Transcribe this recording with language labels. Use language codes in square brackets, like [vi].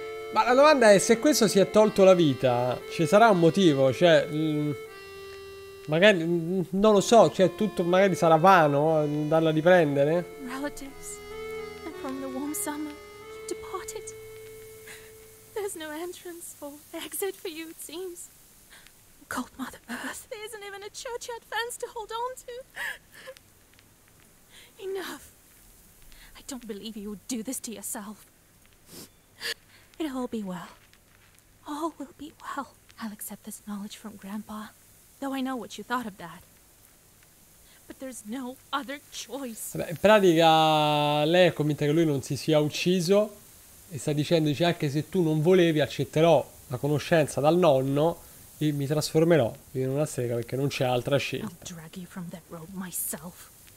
[it] Ma la domanda è: se questo si è tolto la vita, ci sarà un motivo? Cioè, magari, non lo so, cioè tutto magari sarà vano andarla a riprendere. [en] Relatives, and from the warm summer, you departed. There's no entrance or exit for you, it seems. Cold Mother Earth. There isn't even a churchyard fence to hold on to. Enough. I don't believe you would do this to yourself. It'll all be well. All will be well. I'll accept this knowledge from Grandpa. Though I know what you thought of that. But there's no other choice. [it] Vabbè, in pratica lei è convinta che lui non si sia ucciso e sta dicendo, dice, anche se tu non volevi, accetterò la conoscenza dal nonno e mi trasformerò in una strega perché non c'è altra scelta. [en] I'll drag you from that robe myself.